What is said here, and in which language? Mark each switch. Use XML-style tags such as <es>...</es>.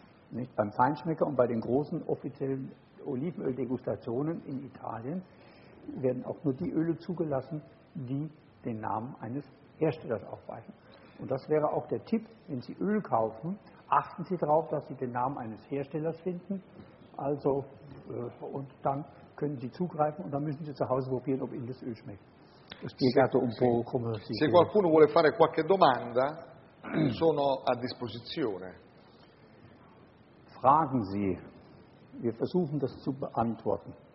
<de>Nicht beim Feinschmecker und bei den großen offiziellen Olivenöldegustationen in Italien werden auch nur die Öle zugelassen, die den Namen eines Herstellers aufweisen. Und das wäre auch der Tipp, wenn Sie Öl kaufen, achten Sie darauf, dass Sie den Namen eines Herstellers finden. Also, und dann können Sie zugreifen und dann müssen Sie zu Hause probieren, ob Ihnen das Öl schmeckt.</de> <it>Spiegato un po' come si. Se qualcuno vuole fare qualche domanda, sono a disposizione.</it> <de>Fragen Sie. Wir versuchen das zu beantworten.</de>